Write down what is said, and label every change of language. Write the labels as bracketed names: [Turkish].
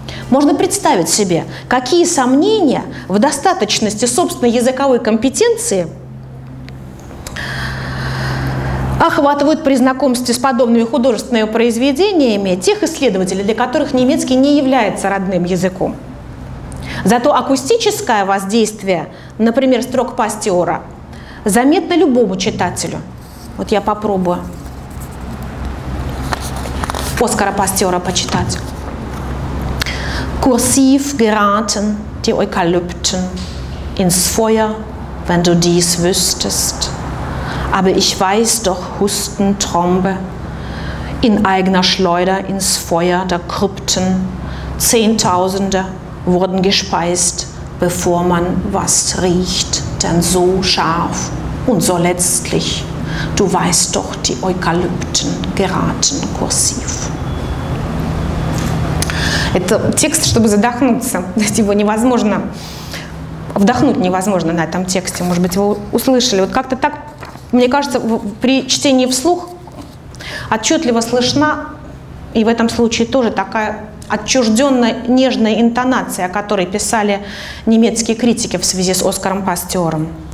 [Russian] Можно представить себе, какие сомнения в достаточности собственной языковой компетенции охватывают при знакомстве с подобными художественными произведениями тех исследователей, для которых немецкий не является родным языком. Зато акустическое воздействие, например, строк Пастера, заметно любому читателю. Вот я попробую Оскара Пастера почитать. [German] Kursiv geraten die Eukalypten ins Feuer, wenn du dies wüsstest. Aber ich weiß doch, Hustentrombe, in eigener Schleuder ins Feuer der Krypten. Zehntausende wurden gespeist, bevor man was riecht, denn so scharf und so letztlich. Du weißt doch, die Eukalypten geraten kursiv. [Russian] Это текст, чтобы задохнуться. Его невозможно, вдохнуть невозможно на этом тексте. Может быть, вы услышали. Вот как-то так, мне кажется, при чтении вслух отчетливо слышна, и в этом случае тоже такая отчужденная нежная интонация, о которой писали немецкие критики в связи с Оскаром Пастером.